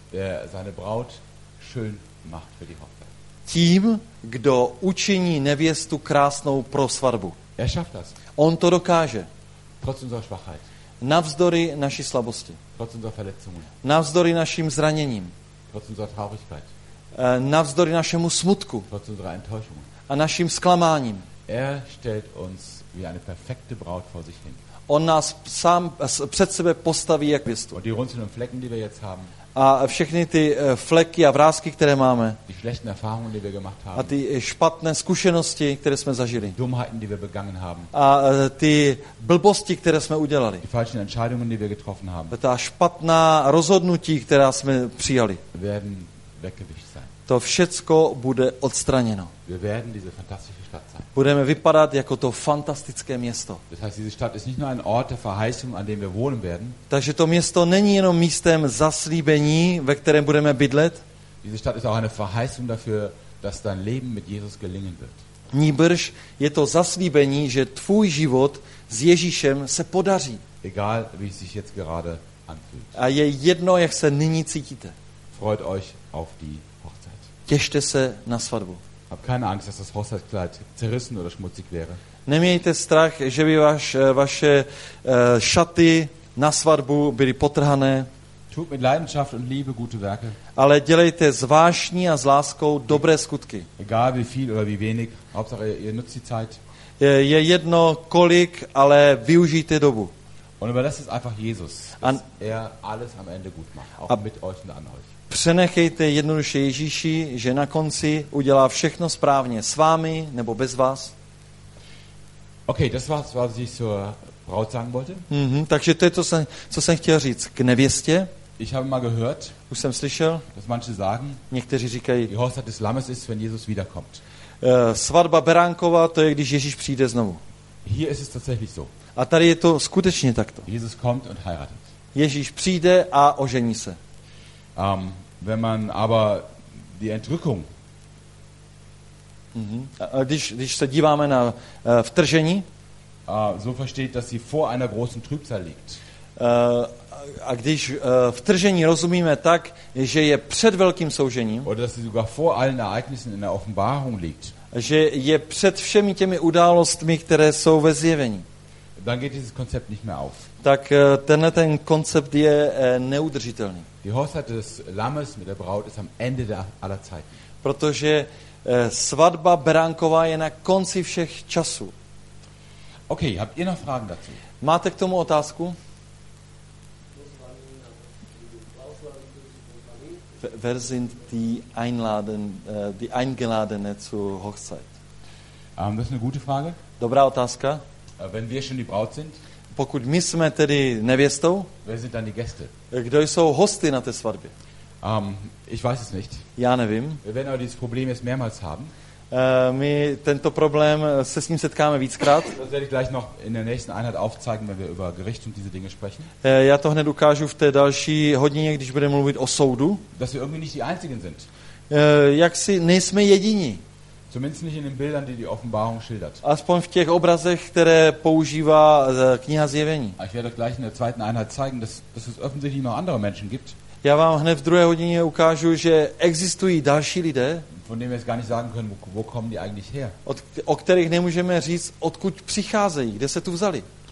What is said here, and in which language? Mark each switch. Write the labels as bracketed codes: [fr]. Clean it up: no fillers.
[de] der seine Braut schön macht für die Hochzeit. [cs] Tím, kdo učiní nevěstu krásnou pro svatbu. [de] Er schafft das. [cs] On to dokáže. [de] Trotz unserer Schwachheit. [cs] Navzdory naší slabosti. [de] Trotz unserer Verletzungen. [cs] Navzdory našim zraněním. [de] Trotz unserer Traurigkeit. [cs] Navzdory našemu smutku. [de] Trotz unserer Enttäuschungen. [cs] A našim zklamáním. [de] Er stellt uns wie eine perfekte Braut vor sich hin. [cs] On nás sám před sebe postaví jak věstu. [de] Und die Runzeln und Flecken, die wir jetzt haben. [cs] A všechny ty fleky a vrásky, které máme. [de] Die schlechten Erfahrungen, die wir gemacht haben. [cs] A ty špatné zkušenosti, které jsme zažili. [de] Die Dummheiten, die wir begangen haben. [cs] A ty blbosti, které jsme udělali. [de] Die falschen Entscheidungen, die wir getroffen haben. [cs] Ta špatná rozhodnutí, která jsme přijali. [de] Werden weggewischt sein. [cs] To všecko bude odstraněno. [de] Wir werden diese fantastische Stadt sein. [cs] Budeme vypadat jako to fantastické město. [de] Das heißt, diese Stadt ist nicht nur ein Ort der Verheißung, an dem wir wohnen werden. [cs] Takže to město není jenom místem zaslíbení, ve kterém budeme bydlet. [de] Diese Stadt ist auch eine Verheißung dafür, dass dein Leben mit Jesus gelingen wird. [cs] Nýbrž je to zaslíbení, že tvůj život s Ježíšem se podaří. [de] Egal, wie es sich jetzt gerade anfühlt. [cs] A je jedno, jak se nyní cítíte. [de] Freut euch auf die. [cs] Těšte se na svatbu. [de] Hab keine Angst, dass das Hochzeitskleid zerrissen oder schmutzig wäre. [cs] Nemějte strach, že by vaše šaty na svatbu byly potrhané. [de] Tut mit Leidenschaft und Liebe gute Werke. [cs] Ale dělejte s vášní a s láskou dobré skutky. [de] Egal wie viel oder wie wenig, Hauptsache ihr nutzt die Zeit. [cs] Je jedno kolik, ale využijte dobu. [de] Und überlasst es einfach Jesus, dass er alles am Ende gut macht, auch mit euch und an euch. [cs] Přenechejte jednoduše Ježíši, že na konci udělá všechno správně s vámi nebo bez vás. [de] Okay, das war's, was ich zur Braut sagen wollte. [cs] Takže to je to, co jsem chtěl říct k nevěstě. [de] Ich habe mal gehört, [cs] už jsem slyšel, [de] dass manche sagen, [cs] někteří říkají, [de] die Hochzeit des Lammes ist, wenn Jesus wiederkommt. [cs] Svatba Beránkova, to je, když Ježíš přijde znovu. [de] Hier ist es tatsächlich so. [cs] A tady je to skutečně takto. [de] Jesus kommt und heiratet. [cs] Ježíš přijde a ožení se. [de] Wenn man aber die Entrückung, [cs] když se díváme na vtržení, [de] so versteht, dass sie vor einer großen Trübsal liegt. [cs] A když vtržení rozumíme tak, že je před velkým soužením, [de] oder dass sie sogar vor allen Ereignissen in der Offenbarung liegt, [cs] že je před všemi těmi událostmi, které jsou ve zjevení, [de] dann geht dieses Konzept nicht mehr auf. [cs] Tak tenhle ten koncept je neudržitelný. [de] Die Hochzeit des Lammes mit der Braut ist am Ende aller Zeiten. [cs] Protože svatba Beránkova je na konci všech časů. [de] Okay, habt ihr noch Fragen dazu? [cs] Máte k tomu otázku? [de] Wer sind die Eingeladene zur Hochzeit? Das ist eine gute Frage. [cs] Dobrá otázka. [de] Wenn wir schon die Braut sind, [cs] pokud my jsme tedy nevěstou, [de] wer sind dann die Gäste? [cs] Kdo jsou hosty na té svatbě? [de] Ich weiß es nicht. [cs] Já nevím. [de] Wir werden aber dieses Problem jetzt mehrmals haben. [cs] My tento problém se s ním setkáme víckrát. [de] Das werde ich gleich noch in der nächsten Einheit aufzeigen, wenn wir über Gericht und diese Dinge sprechen. [cs] Já to hned ukážu v té další hodině, když budeme mluvit o soudu. [de] Dass wir irgendwie nicht die Einzigen sind. [cs] Jaksi nejsme jediní. [de] Zumindest nicht in den Bildern, die Offenbarung schildert. [cs] Aspoň v těch obrazech, které používá kniha Zjevení. [de] Ich werde gleich in der zweiten Einheit zeigen, dass es offensichtlich noch andere Menschen gibt. [cs] Já vám hned v druhé hodině ukážu, že existují další lidé, [de] von denen wir jetzt gar nicht sagen können, wo kommen die eigentlich her. [cs] O kterých nemůžeme říct, odkud přicházejí, kde se tu vzali.